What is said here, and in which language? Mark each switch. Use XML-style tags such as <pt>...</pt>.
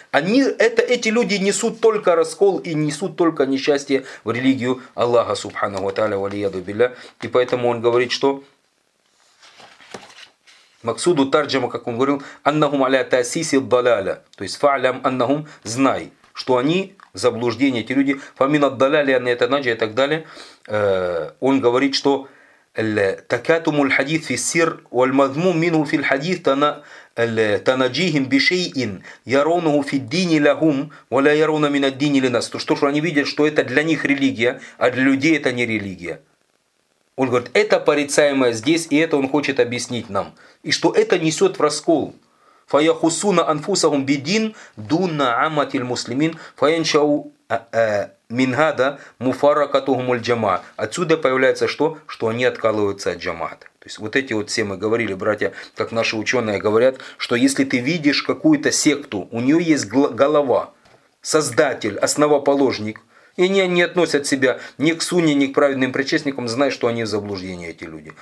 <ru>Эти люди несут только раскол и несут только несчастье в религию Аллаха, субханаху таля, валия дубля. И поэтому он говорит, что Максуду Тарджама, как он говорил, «Аннахум аля таасиси далаля», то есть «фа'лям аннахум», «знай», что они, заблуждение, эти люди, «фамин аддаляли анна это наджа» и так далее. Он говорит, что</ru> <ar>التكاتم الحديث في السر والمذموم منه في الحديث تناجيهم بشيء يرونه في الدين لهم ولا يرون من الدين لناس.</ar> <ru>То что они видят, что это для них религия, а для людей это не религия. Он говорит, это порицаемое здесь, и это он хочет объяснить нам. И что это несет в раскол.</ru> <ar>فَيَخُصُّونَ أَنفُسَهُمْ بِدِينٍ دُونَ عَامَةِ الْمُسْلِمِينَ فَيَنشَأُ Минхада муфаракатухуму аль-джамаа.</ar> <ru>Отсюда появляется что? Что они откалываются от джамаата. То есть вот эти вот все мы говорили, братья, как наши ученые говорят, что если ты видишь какую-то секту, у нее есть голова, создатель, основоположник, и они не относят себя ни к сунне, ни к праведным причастникам, знай, что они в заблуждении, эти люди.</ru>